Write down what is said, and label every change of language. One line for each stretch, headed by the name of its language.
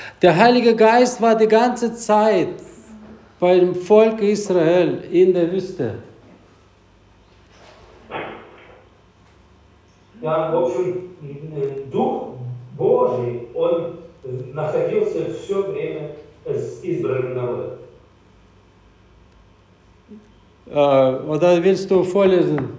German: Der Heilige Geist war die ganze Zeit beim Volk Israel in der Wüste.
Russian: Ja, в общем, Дух Божий, он находился все время с избранным народом.
German: Oder willst du vorlesen?